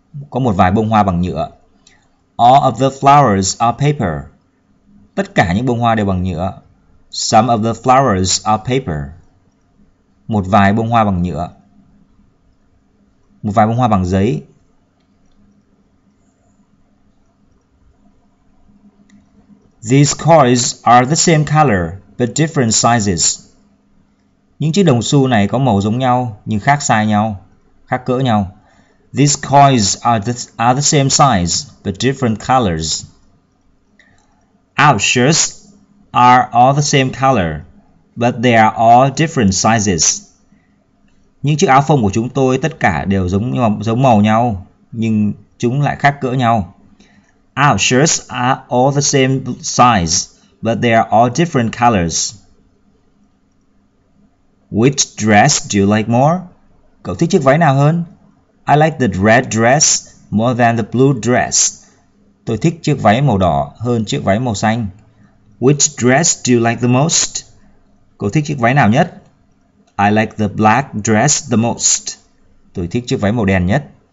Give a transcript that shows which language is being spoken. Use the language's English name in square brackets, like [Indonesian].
[Vietnamese] Có một vài bông hoa bằng nhựa. [English] All of the flowers are paper. [Vietnamese] Tất cả những bông hoa đều bằng nhựa. [English] Some of the flowers are paper. [Vietnamese] Một vài bông hoa bằng nhựa. Một vài bông hoa bằng giấy. [English] These coins are the same color but different sizes. [Vietnamese] Những chiếc đồng xu này có màu giống nhau nhưng khác size nhau, khác cỡ nhau. [English] These coins are the same size but different colors. Our shirts are all the same color but they are all different sizes. [Vietnamese] Những chiếc áo phông của chúng tôi tất cả đều giống màu nhau nhưng chúng lại khác cỡ nhau. [English] Our shirts are all the same size, but they are all different colors. Which dress do you like more? [Vietnamese] Cậu thích chiếc váy nào hơn? [English] I like the red dress more than the blue dress. [Vietnamese] Tôi thích chiếc váy màu đỏ hơn chiếc váy màu xanh. [English] Which dress do you like the most? [Vietnamese] Cậu thích chiếc váy nào nhất? [English] I like the black dress the most. [Vietnamese] Tôi thích chiếc váy màu đen nhất.